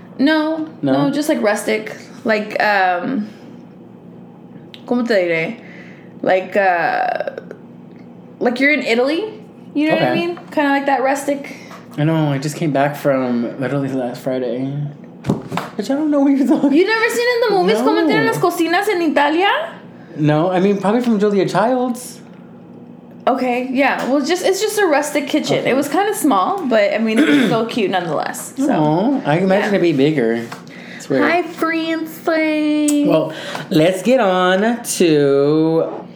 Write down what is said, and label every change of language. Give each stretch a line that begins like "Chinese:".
English: No, just like rustic. Like,
Spanish: ¿cómo te diré?
English: Like you're in Italy, you know what I mean? Kind of like that rustic. I know, I just came back from literally last Friday. Which I don't know what you're talking about. You never seen in the movies no.
Spanish: Como tienen las cocinas en Italia?
English: No, I mean, probably from Julia Childs. Okay, yeah. Well, it's just a rustic kitchen. Okay. It was kind of small, but I mean, it was still cute nonetheless. So. Aww, I imagine it'd be bigger. It's weird. Hi, Francis. Well, let's get on to...